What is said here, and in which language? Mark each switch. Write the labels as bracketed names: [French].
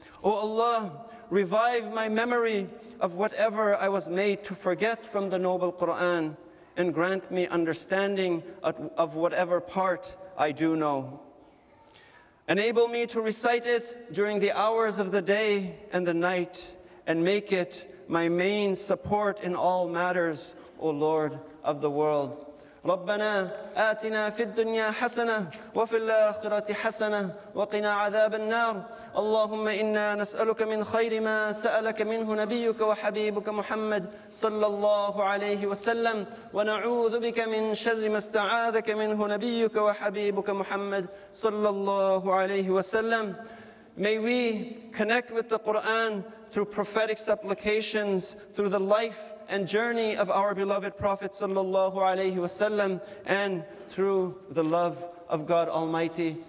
[English] O Allah, revive my memory of whatever I was made to forget from the noble Qur'an, and grant me understanding of whatever part I do know. Enable me to recite it during the hours of the day and the night, and make it my main support in all matters, O Lord of the world. [Arabic] ربنا آتنا في الدنيا حسنة وفي الآخرة حسنة وقنا عذاب النار اللهم إنا نسألك من خير ما سألك منه نبيك وحبيبك محمد صلى الله عليه وسلم ونعوذ بك من شر ما استعاذك منه نبيك وحبيبك محمد صلى الله عليه وسلم. [English] May we connect with the Quran through prophetic supplications, through the life and journey of our beloved Prophet [Arabic] sallallahu alayhi wa sallam, [English] and through the love of God Almighty.